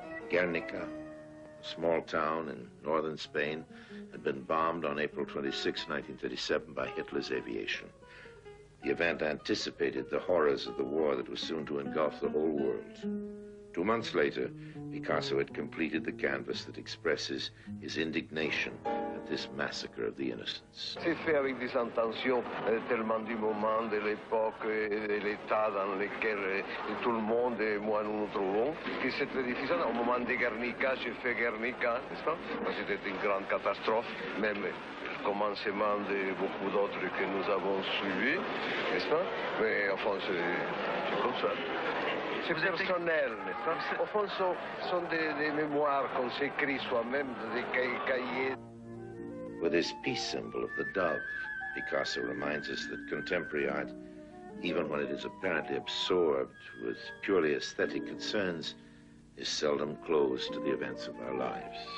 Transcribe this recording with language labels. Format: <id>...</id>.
<en>Guernica, a small town in northern Spain, had been bombed on April 26, 1937 by Hitler's aviation. The event anticipated the horrors of the war that was soon to engulf the whole world. 2 months later, Picasso had completed the canvas that expresses his indignation at this massacre of the innocents.</en> <fr>C'est fait avec des intentions tellement du moment, de l'époque, de l'état dans lequel tout le monde et moi nous nous trouvons. Et c'est très difficile. Au moment de Guernica, j'ai fait Guernica, n'est-ce pas? C'était une grande catastrophe, même le commencement de beaucoup d'autres que nous avons suivis, n'est-ce pas? Mais enfin, c'est comme ça. C'est personnel. Au fond, ce sont des mémoires qu'on s'écrit soi-même, des cahiers.</fr> <en>With his peace symbol of the dove, Picasso reminds us that contemporary art, even when it is apparently absorbed with purely aesthetic concerns, is seldom close to the events of our lives.</en>